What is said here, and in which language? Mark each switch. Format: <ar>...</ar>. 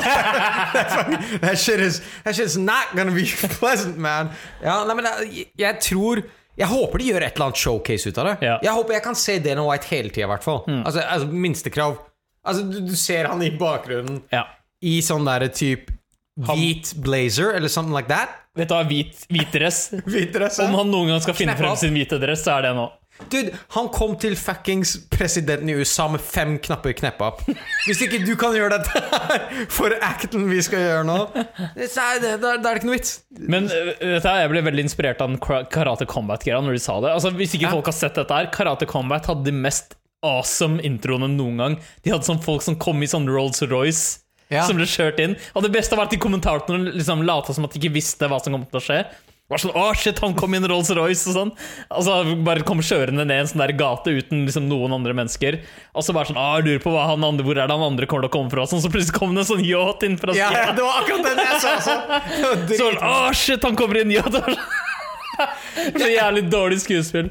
<en>that shit is not gonna be pleasant, man.</en> <no>Ja, nei, men jeg tror... Jeg håper de gjør et eller annet showcase ut av det. Ja. Jeg håper jeg kan se Dana White hele tiden, hvertfall. Mm. Altså minstekrav. Altså, du ser han i bakgrunnen. Ja. I sånn der typ hvit blazer, eller</no> <en>something like that.</en> <no>Vet du hva, hvit dress. Hvit dress, ja. Om han noen gang skal finne frem sin hvite dress, så er det nå. Dude, han kom til fuckings presidenten i USA med 5 knapper knepp opp. Hvis ikke du kan gjøre dette her for acten vi skal gjøre nå, så er det ikke noe vits. Men vet du, jeg ble veldig inspirert av Karate Combat-greia når de sa det. Altså, hvis ikke folk har sett dette her, Karate Combat hadde de mest awesome introene noen gang. De hadde sånn folk som kom i sånn Rolls Royce. Ja. Som ble kjørt inn. Og det beste var at de kommentatorene liksom late som at de ikke visste hva som kom til å skje. Var sånn, åh shit, han kom inn Rolls Royce og sånn. Altså, bare kom kjørende ned en sånn der gate uten liksom noen andre mennesker. Og så bare sånn, åh, lurer på hva han andre, hvor er det han andre kommer til å komme fra? Sånn, så plutselig kom det en sånn yacht inn fra skjeden. Ja, ja, det var akkurat den jeg sa. Sånn, åh shit, han kommer inn yacht. Så jævlig dårlig skuespill.</no>